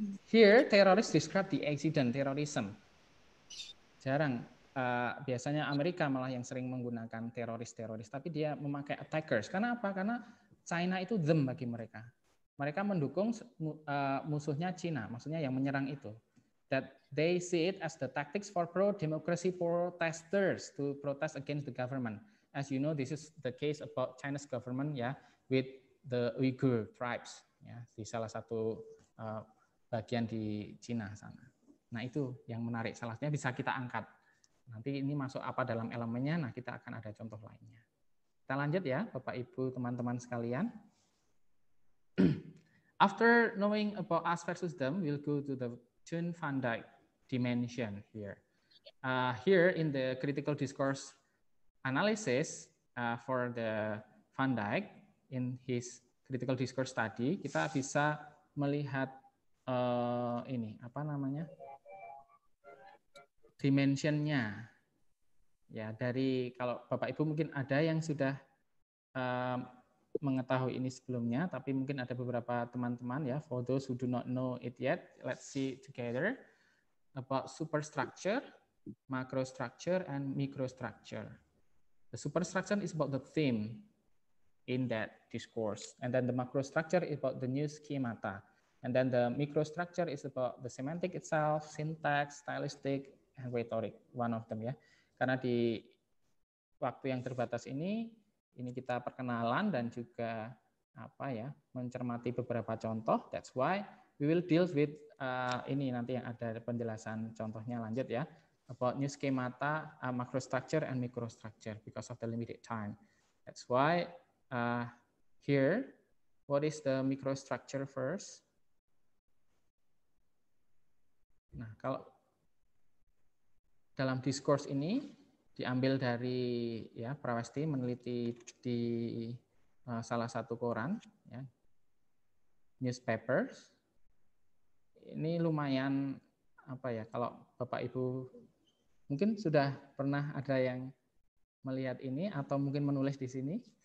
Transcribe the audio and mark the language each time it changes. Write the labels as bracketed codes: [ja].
[en] Here, terrorist describe the accident, terrorism. [id] Jarang, biasanya Amerika malah yang sering menggunakan teroris-teroris, tapi dia memakai attackers. Karena apa? Karena China itu them bagi mereka. Mereka mendukung musuhnya China, maksudnya yang menyerang itu. [en] That they see it as the tactics for pro-democracy protesters to protest against the government. As you know, this is the case about China's government, yeah, with the Uyghur tribes, yeah, [id] di salah satu bagian di China sana. Nah itu yang menarik, salahnya bisa kita angkat. Nanti ini masuk apa dalam elemennya, nah kita akan ada contoh lainnya. Kita lanjut ya, Bapak Ibu, teman-teman sekalian. [en] After knowing about us versus them, we'll go to the Toon Van Dijk dimension here. Here in the critical discourse analysis for the Van Dijk in his critical discourse study, [id] kita bisa melihat ini apa namanya dimensionnya. Ya dari kalau Bapak Ibu mungkin ada yang sudah mengetahui ini sebelumnya, tapi mungkin ada beberapa teman-teman ya, [en] for those who do not know it yet, let's see together about superstructure, macrostructure, and microstructure. The superstructure is about the theme in that discourse, and then the macrostructure is about the new schemata, and then the microstructure is about the semantic itself, syntax, stylistic, and rhetoric, one of them ya. [id] Karena di waktu yang terbatas ini kita perkenalan dan juga apa ya mencermati beberapa contoh. [en] That's why we will deal with [id] ini nanti yang ada penjelasan contohnya lanjut ya, [en] about new schemata, macrostructure and microstructure because of the limited time. That's why here, what is the microstructure first? [id] Nah kalau dalam diskurs ini diambil dari ya Prawesti meneliti di salah satu koran ya, newspapers. Ini lumayan apa ya, kalau Bapak Ibu mungkin sudah pernah ada yang melihat ini atau mungkin menulis di sini.